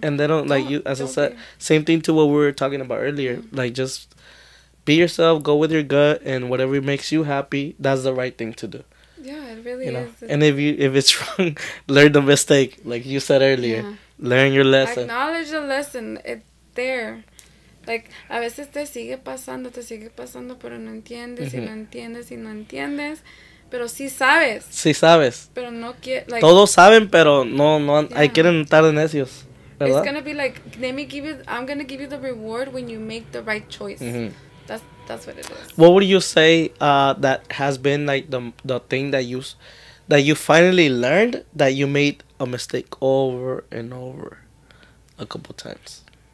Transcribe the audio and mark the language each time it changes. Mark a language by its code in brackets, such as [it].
[en] And they don't like you, as I said, same thing to what we were talking about earlier. Mm-hmm. Like, just be yourself, go with your gut, and whatever makes you happy, that's the right thing to do. Yeah, it really is. And if it's wrong, learn the mistake, like you said earlier. Yeah. Learn your lesson. Acknowledge the lesson. It's there. [es] Like, a veces te sigue pasando, pero no entiendes, y no entiendes. Pero sí sabes. Sí sabes. Pero no quiere, like, todos saben, pero no hay quieren estar de necios, ¿verdad? [en] It's gonna be like, I'm gonna give you the reward when you make the right choice. That's what it is. What would you say that has been like the thing that you finally learned that you made a mistake over and over a couple times?